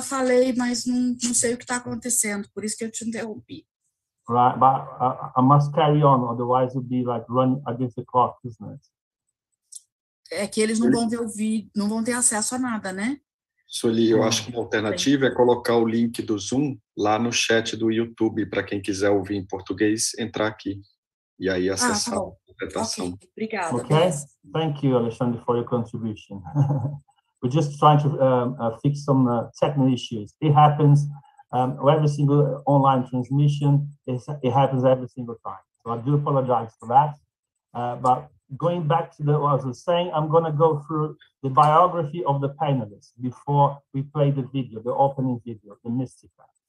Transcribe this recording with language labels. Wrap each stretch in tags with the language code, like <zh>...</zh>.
<pt>falei, mas não sei o que está acontecendo, por isso que eu te interrompi.</pt> <en>Right, but I must carry on, otherwise it'll be like running against the clock, isn't it?</en> <pt>É que eles não vão ver o vídeo, não vão ter acesso a nada, né? Sueli, eu acho que uma alternativa é colocar o link do Zoom lá no chat do YouTube, para quem quiser ouvir em português, entrar aqui e aí acessar a interpretação. Okay. Obrigada.</pt> <en>Ok, thank you, Alexandre, for your contribution. We're just trying to fix some technical issues. It happens every single online transmission, it happens every single time. So I do apologize for that. But going back to the, what I was saying, I'm going to go through the biography of the panelists before we play the video, the opening video, the Mystica.</en>